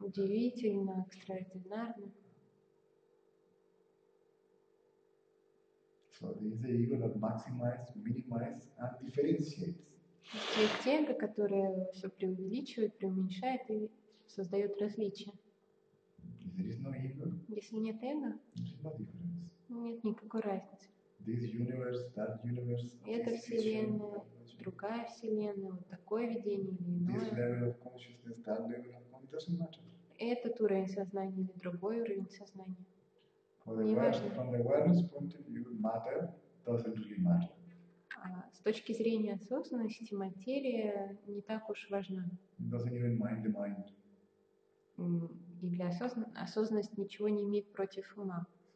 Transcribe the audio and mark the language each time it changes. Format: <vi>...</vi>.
<ru>Удивительно, экстраординарно.</ru> <en>So this is the ego that maximizes, minimizes, and differentiates.</en> <ru>Есть эго, которое все преувеличивает, преуменьшает и создает различия.</ru> <en>There is no ego.</en> <ru>Если нет эго,</ru> <en>no difference.</en> <ru>Нет никакой разницы.</ru> <en>This universe, that universe,</en> <ru>эта вселенная, другая вселенная, вот такое видение или иное.</ru> <en>This level of consciousness, that level of consciousness, doesn't matter.</en> <ru>Этот уровень сознания или другой уровень сознания.</ru> <en>From the awareness point of view, matter doesn't really matter.</en> <ru>С точки зрения осознанности, материя не так уж важна. It doesn't even mind the mind. И для осознанности ничего не имеет против ума.</ru>